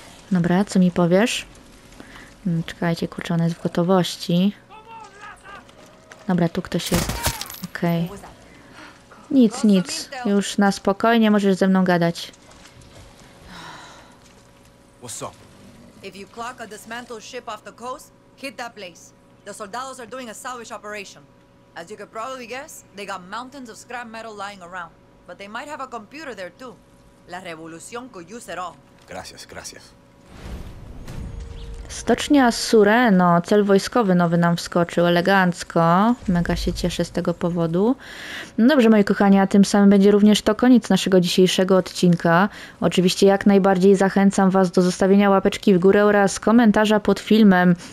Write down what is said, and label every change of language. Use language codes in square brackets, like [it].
[pl] Dobra, co mi powiesz? Czekajcie, kurczę, ona jest w gotowości. Dobra, tu ktoś jest. Okej. Nic, nic. Już na spokojnie możesz ze mną gadać. [en] What's up? If you clock a dismantled ship off the coast, hit that place. The soldados are doing a salvage operation. As you could probably guess, they got mountains of scrap metal lying around. But they might have a computer there too. [es] La revolución [en] could use it all. [es] Gracias, gracias. [pl] Stocznia Sureno, cel wojskowy nowy nam wskoczył, elegancko, mega się cieszę z tego powodu. No dobrze, moi kochani, a tym samym będzie również to koniec naszego dzisiejszego odcinka. Oczywiście jak najbardziej zachęcam Was do zostawienia łapeczki w górę oraz komentarza pod filmem.